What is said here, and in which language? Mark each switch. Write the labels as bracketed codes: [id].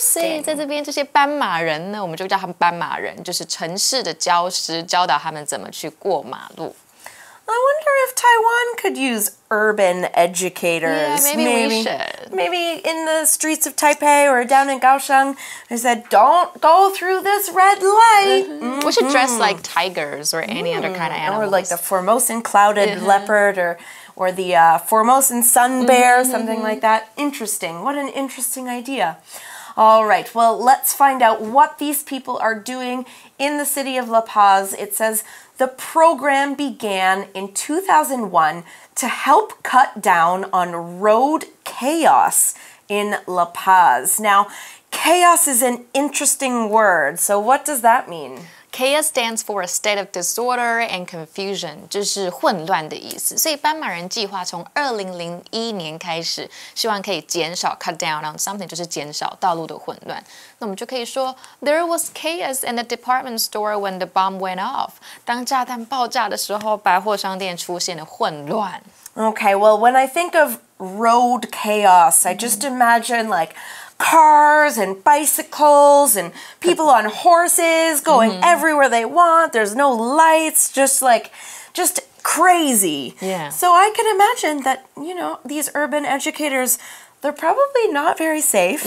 [zh] 所以在这边这些斑马人呢，我们就叫他们斑马人，就是城市的教师，教导他们怎么去过马路。 [en] I wonder if Taiwan could use urban educators. Yeah, maybe we should. Maybe in the streets of Taipei or down in Kaohsiung, they said, don't go through this red light. We should dress like tigers or any other kind of animals. Or like the Formosan clouded leopard or the Formosan sun bear, something like that. Interesting. What an interesting idea. All right. Well, let's find out what these people are doing in the city of La Paz. It says, the program began in 2001 to help cut down on road chaos in La Paz. Now, chaos is an interesting word. So what does that mean? Chaos stands for a state of disorder and confusion. [zh] 就是混乱的意思。所以斑马人计划从2001年开始希望可以减少 [en] cut down on something, [zh] 就是减少道路的混乱。那我们就可以说 [en] there was chaos in the department store when the bomb went off. [zh] 当炸弹爆炸的时候百货商店出现了混乱。 [en] Okay, well, when I think of road chaos, I just imagine like cars and bicycles and people on horses going everywhere they want. There's no lights, just crazy. Yeah. So I can imagine that, you know, these urban educators, they're probably not very safe.